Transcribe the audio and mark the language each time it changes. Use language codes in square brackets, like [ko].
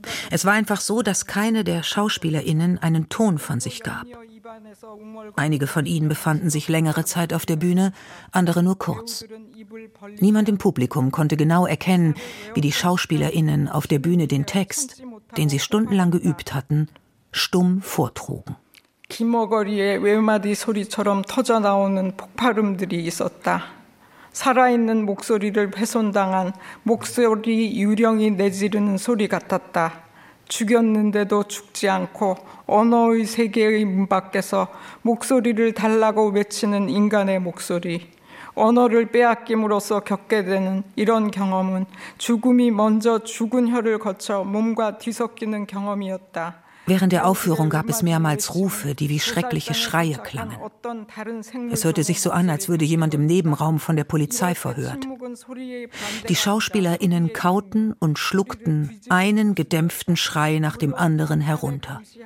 [de] Es war einfach so, dass keine der SchauspielerInnen einen Ton von sich gab. Einige von ihnen befanden sich längere Zeit auf der Bühne, andere nur kurz. Niemand im Publikum konnte genau erkennen, wie die SchauspielerInnen auf der Bühne den Text, den sie stundenlang geübt hatten, stumm vortrugen. [ko] Kimogori의 외마디 소리처럼 터져나오는 폭발음들이 있었다. 살아있는 목소리를 훼손당한 목소리 유령이 내지르는 소리 같았다. 죽였는데도 죽지 않고 언어의 세계의 문 밖에서 목소리를 달라고 외치는 인간의 목소리. 언어를 빼앗김으로써 겪게 되는 이런 경험은 죽음이 먼저 죽은 혀를 거쳐 몸과 뒤섞이는 경험이었다. [de] Während der Aufführung gab es mehrmals Rufe, die wie schreckliche Schreie klangen. Es hörte sich so an, als würde jemand im Nebenraum von der Polizei verhört. Die SchauspielerInnen kauten und schluckten einen gedämpften Schrei nach dem anderen herunter.